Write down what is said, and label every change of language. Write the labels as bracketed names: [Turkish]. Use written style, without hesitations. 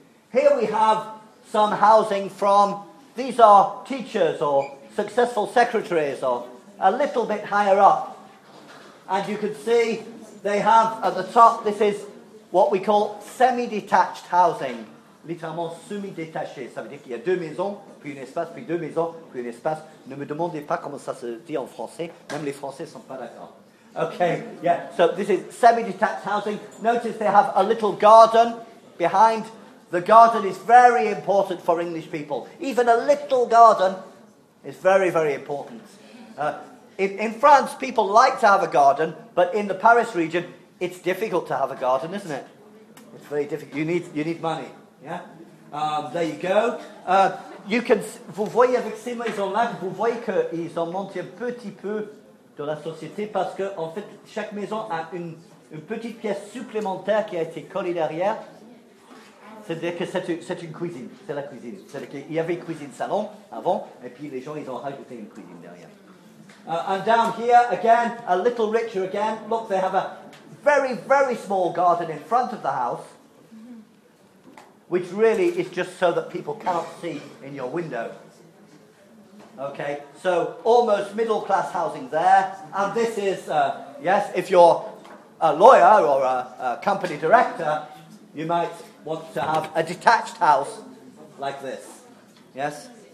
[English] Here we have some housing from, these are teachers or successful secretaries or a little bit higher up. And you can see they have at the top, this is what we call semi-detached housing. [French] Littéralement semi-détaché, ça veut dire qu'il y a deux maisons, puis un espace, puis deux maisons, puis un espace. Ne me demandez pas comment ça se dit en français, même les Français ne sont pas d'accord. [English] Okay, yeah, so this is semi-detached housing. Notice they have a little garden behind. The garden is very important for English people. Even a little garden is very, very important. In France, people like to have a garden, but in the Paris region, it's difficult to have a garden, isn't it? It's very difficult. You need money. Yeah, there you go. You can. [French] Vous voyez avec ces maisons là, vous voyez qu'ils ont monté un petit peu dans la société parce que en fait chaque maison a une petite pièce supplémentaire qui a été collée derrière. C'est-à-dire que c'est une cuisine. C'est la cuisine. C'est-à-dire qu'il y avait cuisine salon avant et puis les gens ils ont rajouté une cuisine derrière. [English] And down here again, a little richer again. Look, they have a very very small garden in front of the house. Which really is just so that people cannot see in your window. Okay, so almost middle class housing there. And this is, yes, if you're a lawyer or a company director, you might want to have a detached house like this. Yes?